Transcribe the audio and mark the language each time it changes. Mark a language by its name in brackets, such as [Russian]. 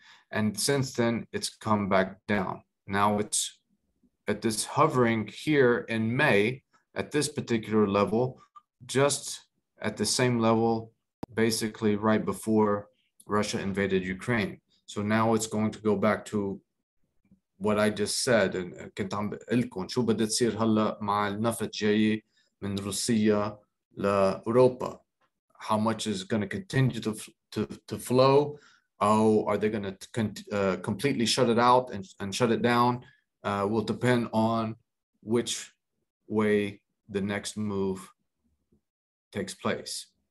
[English] And since then, it's come back down. Now it's at this hovering here in May at this particular level, just at the same level, basically right before Russia invaded Ukraine. So now it's going to go back to what I just said. And [Arabic] كنت عم بقول لكم شو بدها تصير هلا مع النفط جاي من روسيا لاوروبا. [English] How much is going to continue to flow? Oh, are they going to completely shut it out and shut it down? Will depend on which way the next move takes place.